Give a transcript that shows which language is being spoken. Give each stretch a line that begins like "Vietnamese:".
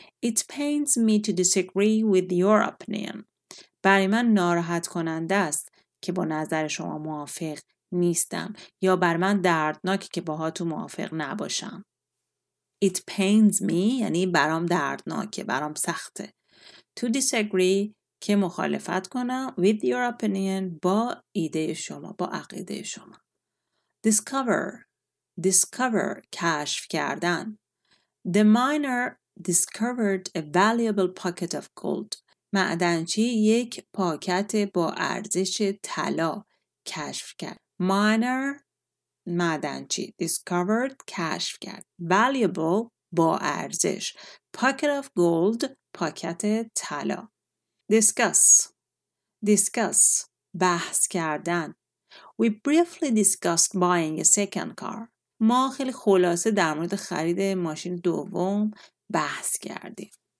English: It pains me to disagree with your opinion.
Persian: برای من ناراحت کننده است که با نظر شما موافق نیستم، یا بر من دردناکه که باهاتون موافق نباشم.
English: It pains me
Persian: یعنی برام دردناکه، برام سخته.
English: To disagree
Persian: که مخالفت کنم.
English: With your opinion
Persian: با ایده شما، با عقیده شما. Discover کشف کردن.
English: The miner discovered a valuable pocket of gold.
Persian: معدنچی یک پاکت با ارزش طلا کشف کرد. Miner معدنچی discovered کشف کرد. Valuable با ارزش.
English: Pocket of gold
Persian: پاکت طلا. Discuss بحث کردن.
English: We briefly discussed buying a second car.
Persian: ما خیلی خلاصه در مورد خرید ماشین دوم بحث کردیم.